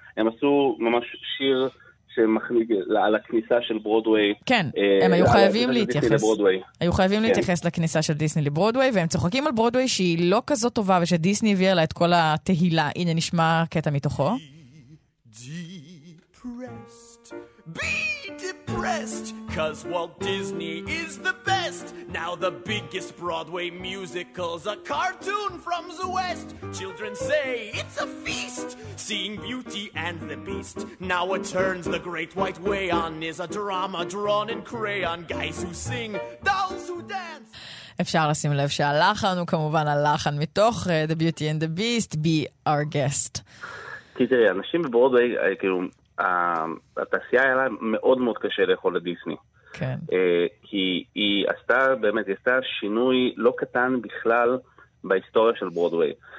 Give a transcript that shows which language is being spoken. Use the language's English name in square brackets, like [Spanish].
[Hebrew] הם עשו ממש שיר... שמחליג על הכניסה של ברודווי. כן, הם היו חייבים להתייחס. היו חייבים להתייחס לכניסה של דיסני לברודווי, והם צוחקים על ברודווי שהיא לא כזאת טובה, ושדיסני הביאה לה את כל התהילה. הנה נשמע קטע מתוכו. [English] Be depressed. Be depressed. rest, 'cause Walt Disney is the best. Now the biggest Broadway musical's a cartoon from the West. Children say it's a feast, seeing Beauty and the Beast. Now it turns the Great White Way on is a drama drawn in crayon. Guys who sing, dolls who dance. [Hebrew] אפשר לשים לב שהלחן הוא כמובן הלחן מתוך The Beauty and the Beast, Be Our Guest. תראי, אנשים בברודווי, כאילו, התעשייה היה לה מאוד מאוד קשה לאכול לדיסני. כן. כי היא עשתה, באמת, היא עשתה שינוי לא קטן בכלל בהיסטוריה של ברודווי.